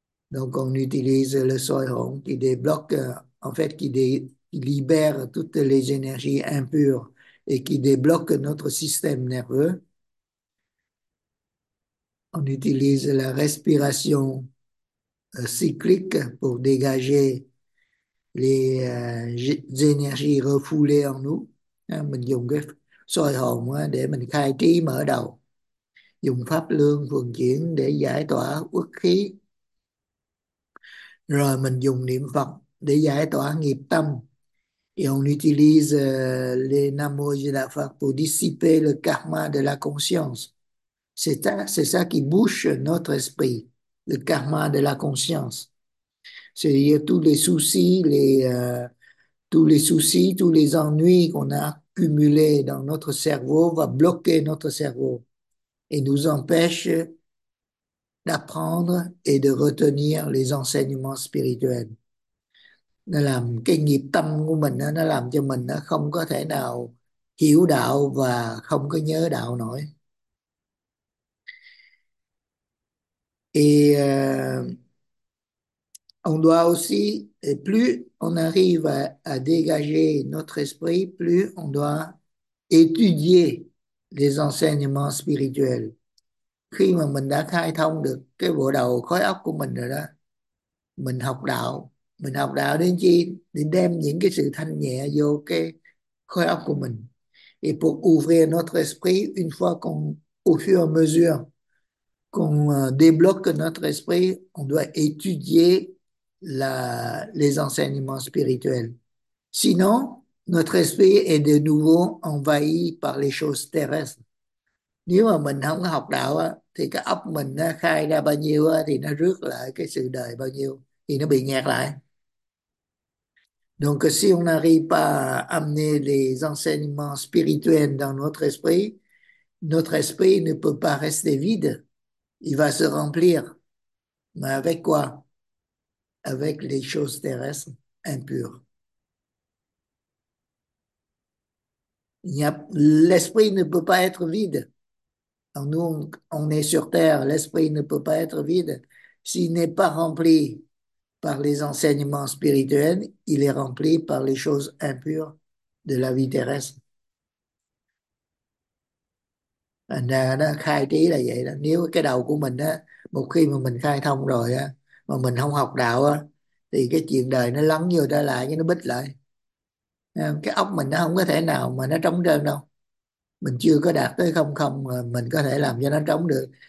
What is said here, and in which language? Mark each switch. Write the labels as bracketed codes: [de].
[fr] Donc on utilise le Soihong qui débloque, en fait, qui libère toutes les énergies impures et qui débloque notre système nerveux. On utilise la respiration cyclique pour dégager les énergies refoulées en nous. [vi] Mình dùng cái soi hồn để mình khai trí mở đầu. Dùng pháp lương vận chuyển để giải tỏa uất khí. Rồi mình dùng niệm Phật để giải tỏa nghiệp tâm. [fr] Et on utilise les Nam Mô A Di Đà Phật pour dissiper le karma de la conscience. C'est ça qui bouche notre esprit, le karma de la conscience. C'est-à-dire tous les soucis, tous les ennuis qu'on a accumulés dans notre cerveau va bloquer notre cerveau et nous empêche d'apprendre et de retenir les enseignements spirituels. [vi] Nó làm cái nghiệp tâm của mình nó làm cho mình nó không có thể nào hiểu đạo và không có nhớ đạo nổi. [fr] Et On doit aussi, et plus on arrive à dégager notre esprit, plus on doit étudier les enseignements spirituels. [vi] Khi mà mình đã khai thông được cái bộ đầu khối óc của mình rồi đó, mình học đạo đến chi? Để đem những cái sự thanh nhẹ vô cái khối óc của mình. [fr] Et pour ouvrir notre esprit, une fois qu'on, au fur et à mesure qu'on débloque notre esprit, on doit étudier les enseignements spirituels. Sinon, notre esprit est de nouveau envahi par les choses terrestres. [vi] Nếu mà mình không học đạo á, thì cái óc mình nó khai ra bao nhiêu á, thì nó rước lại cái sự đời bao nhiêu, thì nó bị nghẹt lại. [fr] Donc, si on n'arrive pas à amener les enseignements spirituels dans notre esprit ne peut pas rester vide. Il va se remplir. Mais avec quoi? Avec les choses terrestres impures. L'esprit ne peut pas être vide. Alors nous, on est sur Terre. L'esprit ne peut pas être vide s'il n'est pas rempli par les enseignements spirituels, il est rempli par les choses impures de la vie terrestre. [vi] Nó khai trí là vậy đó. Nếu cái đầu của mình á, một khi mà mình khai thông rồi á, mà mình không học đạo á, thì cái chuyện đời nó lắng vô ta lại, nó bích lại. Cái óc mình nó không có thể nào mà nó trống trơn đâu. Mình chưa có đạt tới không không mà mình có thể làm cho nó trống được.